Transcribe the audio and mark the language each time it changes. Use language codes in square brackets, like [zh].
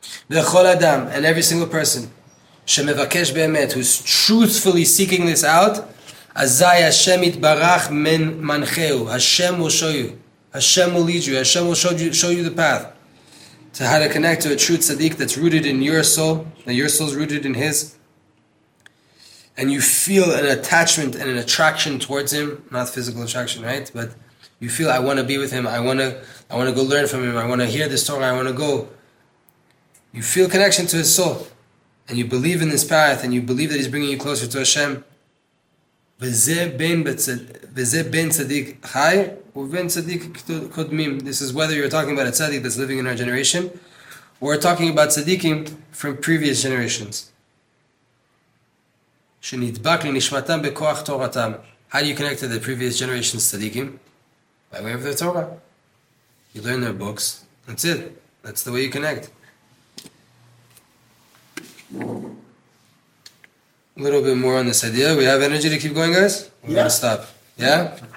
[he] וכל אדם, [en] and every single person, [he] שמבקש באמת, [en] who's truthfully seeking this out, [he] אזי השם יתברך מנחהו, [en] השם will show you, השם will lead you, השם will show you the path to how to connect to a true tzaddik that's rooted in your soul, that your soul's rooted in his, and you feel an attachment and an attraction towards him, not physical attraction, right? But you feel, I want to be with him, I want to go learn from him, I want to hear this Torah, I want to go. You feel connection to his soul, and you believe in this path, and you believe that he's bringing you closer to Hashem. [he] וזה בין צדיק חי ובין צדיק קודמים. [en] This is whether you're talking about a tzaddik that's living in our generation or we're talking about tzaddikim from previous generations. [he] שנדבק לנשמתם בכוח תורתם. [en] How do you connect to the previous generation's tzaddikim? By way of their Torah. You learn their books. That's it. That's the way you connect. A little bit more on this idea. We have energy to keep going, guys? We're going to stop. Yeah?